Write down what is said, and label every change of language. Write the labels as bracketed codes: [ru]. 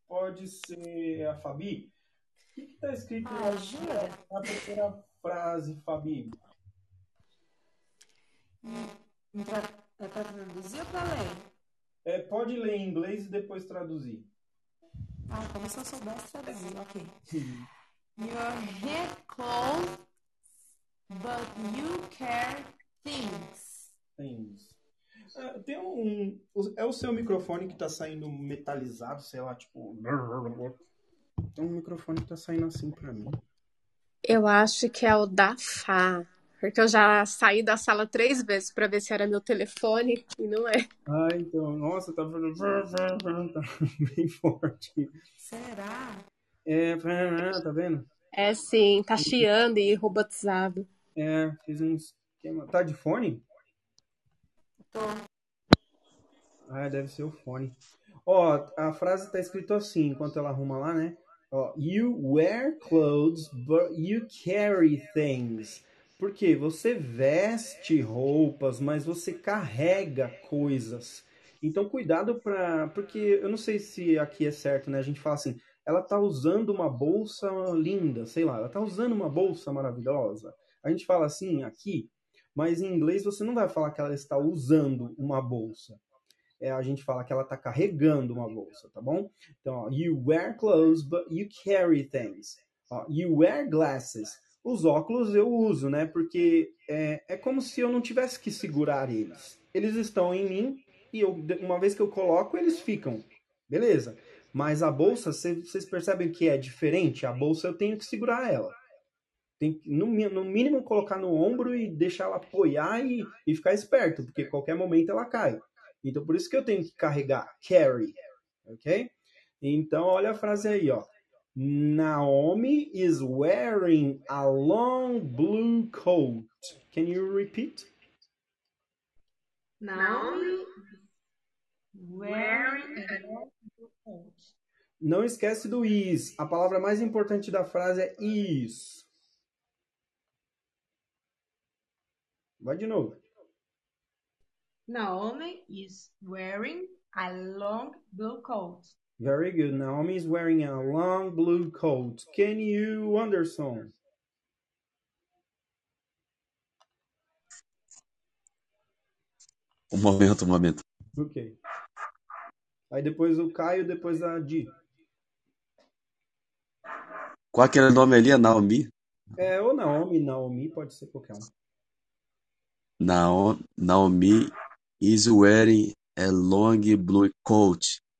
[pt] Pode ser a Fabi? O que está escrito Ah, jura? na primeira frase, Fabi? Para traduzir ou para ler? É, pode ler em inglês e depois traduzir. Ah, como se eu soubesse traduzir, ok. [en] Your head cold, but you care things. [pt] Ah, tem um. É o seu microfone que tá saindo metalizado, sei lá, tipo. Tem um microfone que tá saindo assim pra mim. Eu acho que é o da Fá, porque eu já saí da sala 3 vezes para ver se era meu telefone e não é. Ah, então. Nossa, tá falando. Bem forte. Será? É, tá vendo? É sim, tá chiando e robotizado. É, fiz um esquema. Tá de fone? Tô. Ah, deve ser o fone. Ó, a frase tá escrito assim, enquanto ela arruma lá, né? [en] Ó, you wear clothes, but you carry things. [pt] Por quê? Você veste roupas, mas você carrega coisas. Então, cuidado para. Porque eu não sei se aqui é certo, né? A gente fala assim, ela tá usando uma bolsa linda, sei lá, ela tá usando uma bolsa maravilhosa. A gente fala assim aqui, mas em inglês você não vai falar que ela está usando uma bolsa. É, a gente fala que ela tá carregando uma bolsa, tá bom? Então, [en] ó, you wear clothes, but you carry things. [pt] Ó, [en] you wear glasses. [pt] Os óculos eu uso, né? Porque é como se eu não tivesse que segurar eles. Eles estão em mim e uma vez que eu coloco, eles ficam. Beleza. Mas a bolsa, vocês percebem que é diferente? A bolsa eu tenho que segurar ela. Tem que, no mínimo, colocar no ombro e deixar ela apoiar e ficar esperto, porque a qualquer momento ela cai. Então, por isso que eu tenho que carregar, carry. Ok? Então, olha a frase aí, ó. [en] Naomi is wearing a long blue coat. Can you repeat? Naomi wearing a long coat. [pt] Não esquece do is. A palavra mais importante da frase é is. Vai de novo. [en] Naomi is wearing a long blue coat. Very good. Naomi is wearing a long blue coat. Can you understand? [pt] Um momento, Ok. Aí depois o Caio, depois a Di. qual aquele nome ali? É Naomi? É, ou Naomi, Naomi, pode ser qualquer um. [en] Naomi is wearing a long blue coat.